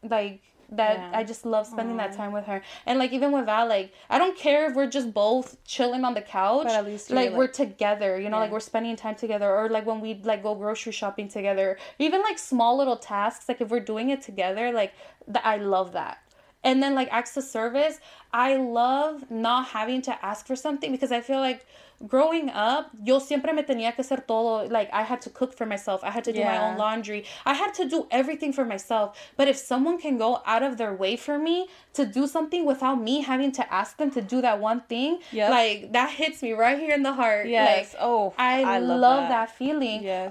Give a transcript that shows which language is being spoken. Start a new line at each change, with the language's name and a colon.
English: Like, that yeah. I just love spending aww. That time with her. And, like, even with Val, like, I don't care if we're just both chilling on the couch. But at least like, we're together, you know? Yeah. Like, we're spending time together. Or, like, when we, like, go grocery shopping together. Even, like, small little tasks. Like, if we're doing it together, like, I love that. And then, like, acts of service. I love not having to ask for something. Because I feel like growing up,
Spanish: yo siempre me tenía que hacer todo.
English: Like, I had to cook for myself. I had to do yeah. my own laundry. I had to do everything for myself. But if someone can go out of their way for me to do something without me having to ask them to do that one thing, yep. like, that hits me right here in the heart. Yes. Like, oh, I love that feeling yes.